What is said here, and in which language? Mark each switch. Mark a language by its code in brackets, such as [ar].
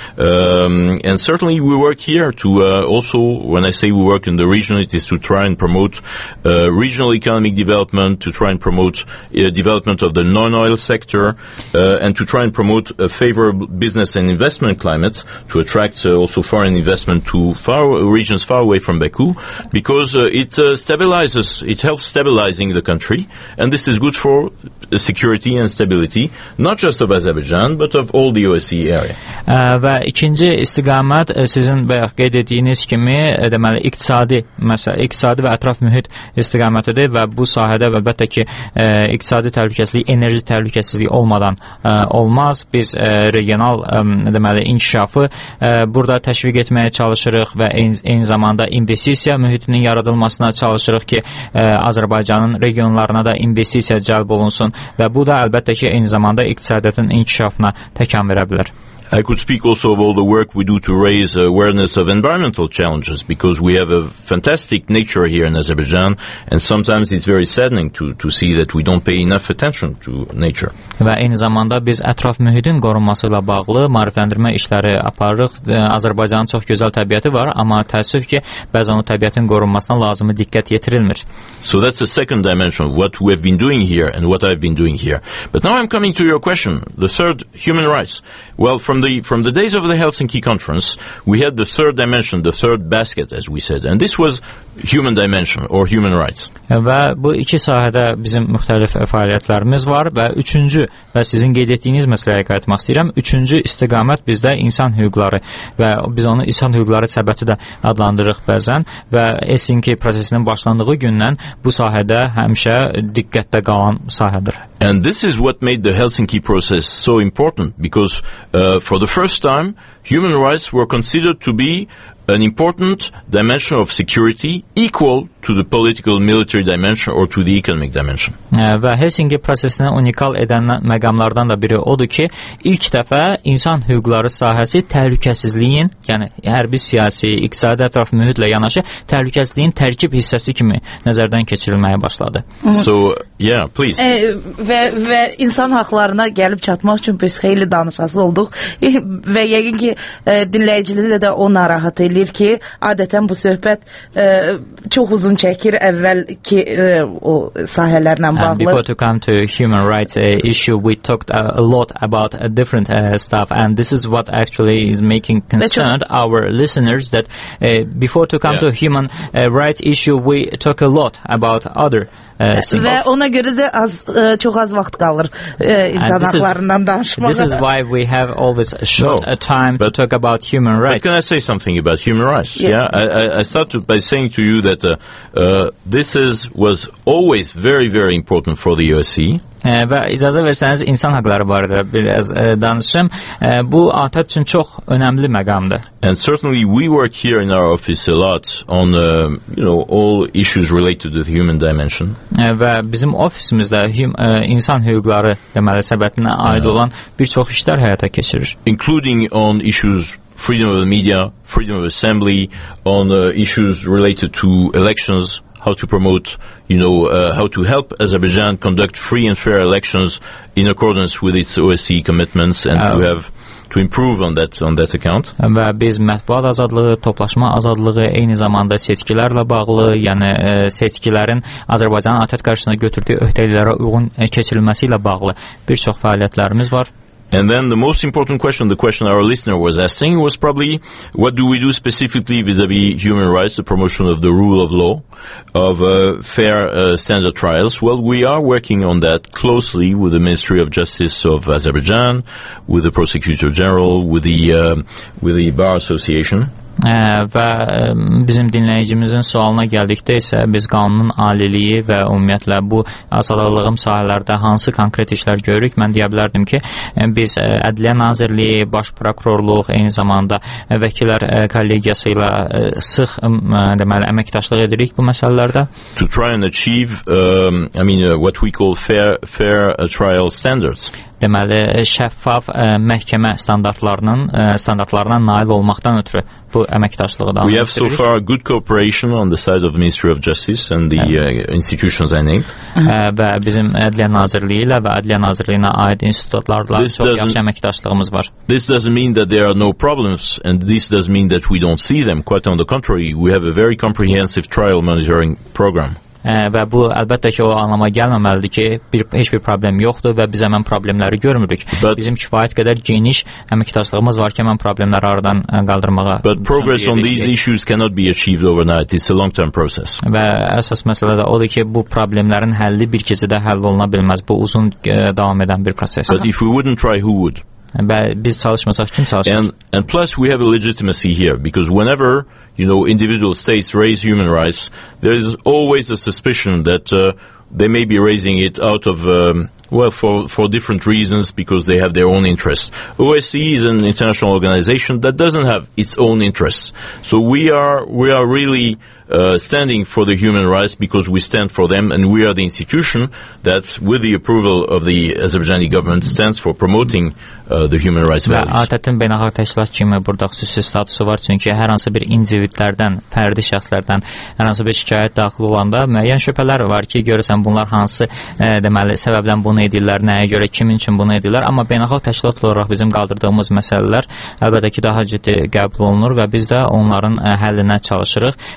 [en] And certainly we work here to also, when I say we work in the region, it is to try and promote regional economic development, to try and promote development of the non-oil sector, and to try and promote a favorable business and investment climate to attract also foreign investment to far regions far away from Baku, because it stabilizes, it helps stabilizing the country, and this is good for security and stability, not just of Azerbaijan, but of all the OSCE area. [az] Və ikinci istiqamət sizin bayaq qeyd etdiyiniz kimi, deməli, iqtisadi, məsələn, iqtisadi və ətraf mühit istiqamətidir və bu sahədə əlbəttə ki, iqtisadi təhlükəsizlik, enerji təhlükəsizlik olmadan olmaz. Biz regional deməli inkişafı burada təşviq etməyə çalışırıq və eyni zamanda investisiya mühitinin yaradılmasına çalışırıq ki, Azərbaycanın regionlarına da investisiya cəlb olunsun və bu da əlbəttə ki, eyni zamanda iqtisadiyyatın inkişafına təkan verə bilər. [en] I could speak also of all the work we do to raise awareness of environmental challenges, because we have a fantastic nature here in Azerbaijan, and sometimes it's very saddening to see that we don't pay enough attention to nature. [az] Və eyni zamanda biz ətraf mühitin qorunması ilə bağlı maarifləndirmə işləri aparırıq. Azərbaycanın çox gözəl təbiəti var, amma təəssüf ki, bəzən o təbiətin qorunmasına lazımi diqqət yetirilmir. [en] So that's the second dimension of what we have been doing here and what I've been doing here. But now I'm coming to your question, the third, human rights. Well, from the days of the Helsinki conference, we had the third dimension, the third basket, as we said, and this was human dimension or human rights. [az] Və bu iki sahədə bizim müxtəlif fəaliyyətlərimiz var və üçüncü və sizin qeyd etdiyiniz məsələyə qayıtmaq istəyirəm. Üçüncü istiqamət bizdə insan hüquqları və biz onu insan hüquqları səbəti də adlandırırıq bəzən və Helsinki prosesinin başlandığı gündən bu sahədə həmişə diqqətdə qalan sahədir. [en] And this is what made the Helsinki process so important, because for the first time human rights were considered to be an important dimension of security equal to the political military dimension or to the economic dimension. [az] Və Helsinki prosesini unikal edən məqamlardan da biri odur ki, ilk dəfə insan hüquqları sahəsi təhlükəsizliyin, yəni hərbi siyasi, iqtisadi ətraf mühitlə yanaşı təhlükəsizliyin tərkib hissəsi kimi nəzərdən keçirilməyə başladı. [en] So, yeah, please. [az] Və insan haqlarına gəlib çatmaq üçün biz xeyli danışası olduq və yəqin ki, dinləyicilərdə də o narahat deyir ki, adətən bu söhbət çox uzun çəkir əvvəlki o sahələrlə bağlı. [en] And before to come to human rights issue, we talked a lot about a different stuff, and this is what actually is making concerned our listeners, that before to come to human rights issue, we talk a lot about other [az] Və ona görə də çox az vaqt qalır insan haqlarından danışmağa. [en] This is why we have always short time to talk about human rights. But can I say something about human rights? I started by saying to you that this was always very, very important for the OSCE. [az] Və icazə versəniz, insan haqları barədə biraz danışım. Bu, ATƏT üçün çox önəmli məqamdır. [en] And certainly we work here in our office a lot on, all issues related to the human dimension. [az] Və bizim ofisimizdə insan hüquqları, deməli, səbətinə aid olan bir çox işlər həyata keçirir. [en] Including on issues freedom of the media, freedom of assembly, on issues related to elections, how to promote, how to help Azerbaijan conduct free and fair elections in accordance with its OSCE commitments and to improve on that account. [az] Və biz mətbuat azadlığı, toplaşma azadlığı, eyni zamanda seçkilərlə bağlı, yəni seçkilərin Azərbaycanın ATƏT qarşısında götürdüyü öhdəliklərə uyğun keçirilməsi ilə bağlı bir çox fəaliyyətlərimiz var. [en] And then the most important question, the question our listener was asking, was probably, what do we do specifically vis-à-vis human rights, the promotion of the rule of law, of fair standard trials? Well, we are working on that closely with the Ministry of Justice of Azerbaijan, with the Prosecutor General, with the Bar Association. [az] Və bizim dinləyicimizin sualına gəldikdə isə biz qanunun aliliyi və ümumiyyətlə bu azadlığım sahələrdə hansı konkret işlər görürük? Mən deyə bilərdim ki, biz Ədliyyə Nazirliyi, Baş Prokurorluq, eyni zamanda vəkillər kollegiyası ilə sıx deməli əməkdaşlıq edirik bu məsələlərdə. [en] To try and achieve what we call fair trial standards. [az] Deməli, şəffaf məhkəmə standartlarına nail olmaqdan ötürü bu əməkdaşlığı davam etdiririk. [en] We have so far good cooperation on the side of the Ministry of Justice and the institutions I named. [az] Və bizim Ədliyyə Nazirliyi ilə və Ədliyyə Nazirliyinə aid institutlarla çox yaxşı əməkdaşlığımız var. [en] This doesn't mean that there are no problems and this doesn't mean that we don't see them. Quite on the contrary, we have a very comprehensive trial monitoring program. [az] Və bu əlbəttə ki o anlama gəlməməlidir ki heç bir problem yoxdur və biz həmin problemləri görmürük. [en] But [az] bizim kifayət qədər geniş əməkdaşlığımız var ki həmin problemləri aradan qaldırmağa. [en] But progress on these issues cannot be achieved overnight. It's a long-term process. [az] Və əsas məsələ də odur ki bu problemlərin həlli bir gecədə həll oluna bilməz. Bu uzun davam edən bir prosesdir. [en] But if we wouldn't try, who would? [az] Biz çalışmasaq kim çalışacaq? [en] And plus we have a legitimacy here because whenever individual states raise human rights, there is always a suspicion that they may be raising it out of for different reasons because they have their own interests. OSCE is an international organization that doesn't have its own interests. So we are really standing for the human rights because we stand for them and we are the institution that with the approval of the Azerbaijani government stands for promoting the human rights values. [az] ATƏT-in beynəlxalq təşkilat kimi burada xüsusi statusu var çünki hər hansı bir individlərdən, fərdi şəxslərdən hər hansı bir şikayət daxil olanda müəyyən şübhələr var ki, görəsən bunlar hansı deməli səbəbdən bunu edirlər, nəyə görə, kimin üçün bunu edirlər, amma beynəlxalq təşkilat olaraq bizim qaldırdığımız məsələlər əlbəttə ki daha ciddi qəbul olunur və biz də onların həllinə çalışırıq.